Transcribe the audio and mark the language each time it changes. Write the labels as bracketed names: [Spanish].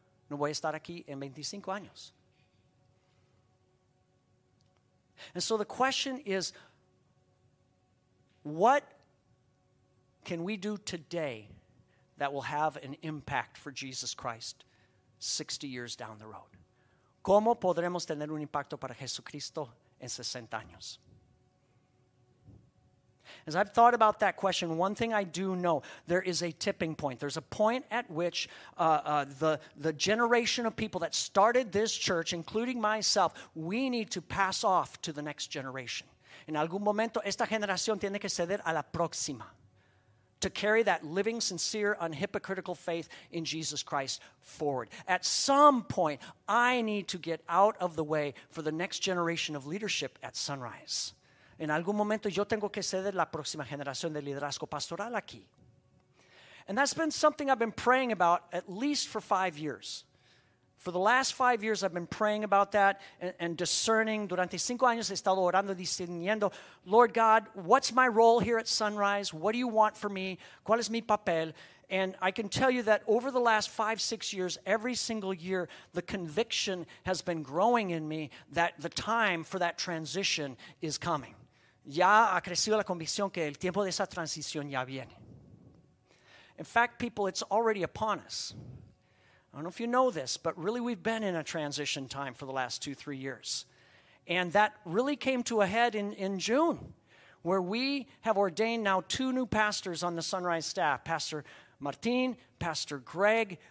[Spanish] no voy a estar aquí en 25 años. [English] And so the question is, what can we do today that will have an impact for Jesus Christ 60 years down the road? [Spanish] ¿Cómo podremos tener un impacto para Jesucristo en 60 años? [English] As I've thought about that question, one thing I do know, there is a tipping point. There's a point at which the generation of people that started this church, including myself, we need to pass off to the next generation. [Spanish] En algún momento, esta generación tiene que ceder a la próxima [English] to carry that living, sincere, unhypocritical faith in Jesus Christ forward. At some point, I need to get out of the way for the next generation of leadership at Sunrise. [Spanish] En algún momento yo tengo que ceder la próxima generación de liderazgo pastoral aquí. [English] And that's been something I've been praying about at least for 5 years. For the last 5 years, I've been praying about that and discerning. [Spanish] Durante 5 años he estado orando, discerniendo. [English] Lord God, what's my role here at Sunrise? What do you want for me? [Spanish] ¿Cuál es mi papel? [English] And I can tell you that over the last 5-6 years, every single year, the conviction has been growing in me that the time for that transition is coming. [Spanish] Ya ha crecido la convicción que el tiempo de esa transición ya viene. [English] In fact, people, it's already upon us. I don't know if you know this, but really we've been in a transition time for the last 2-3 years. And that really came to a head in June, where we have ordained now 2 new pastors on the Sunrise staff, Pastor Martin, Pastor Greg.